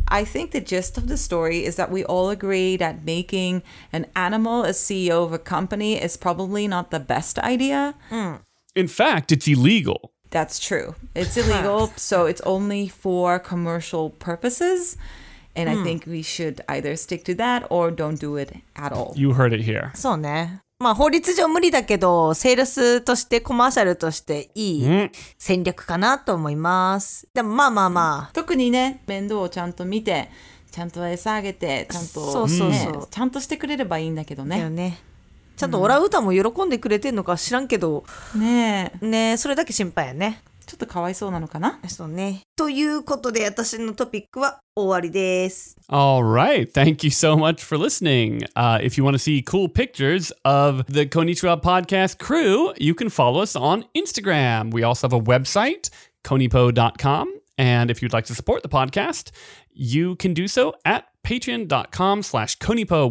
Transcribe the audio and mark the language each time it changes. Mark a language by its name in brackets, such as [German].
[English] I think the gist of the story is that we all agree that making an animal a CEO of a company is probably not the best idea. Mm. In fact, it's illegal. That's true. It's illegal, so it's only for commercial purposes. And I think we should either stick to that or don't do it at all. You heard it here. [Japanese] そうね。まあ法律上無理だけど、セールスとしてコマーシャルとしていい戦略かなと思います。でもまあまあまあ。特にね、面倒をちゃんと見て、ちゃんと餌あげて、ちゃんと、そうそうそう、ね、ちゃんとしてくれればいいんだけどね。だよね。ちゃんとオラウータも喜んでくれてんのか知らんけど、ねえ、ねえ、それだけ心配やね。ちょっとかわいそうなのかな。そうね。ということで私のトピックは終わりです。 [English] All right, thank you so much for listening. If you want to see cool pictures of the Konnichiwa Podcast crew, you can follow us on Instagram. We also have a website, konipo.com. And if you'd like to support the podcast, you can do so at patreon.com/konipo.